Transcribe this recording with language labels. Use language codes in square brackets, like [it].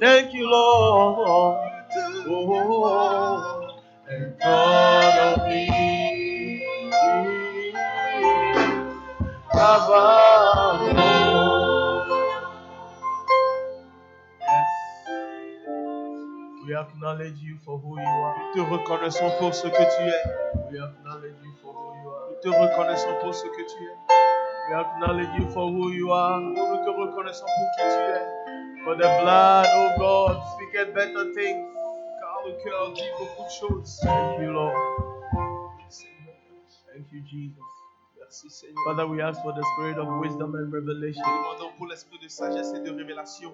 [en] Thank you, Lord. Oh, oh, oh. And God of me, yes, we acknowledge you for who you are. [fr] Nous te reconnaissons pour ce que tu es. [en] We acknowledge you for who you are. [fr] Nous te reconnaissons pour ce que tu es. [en] We acknowledge you for who you are. [fr] Nous te reconnaissons pour qui tu es. [en] For the blood, oh God, speaketh better things. Thank you, Lord. Thank you, Jesus. [fr] Merci, Seigneur. [en] Father, we ask for the spirit of wisdom and revelation. [fr] Demandons pour l'esprit de sagesse et de révélation.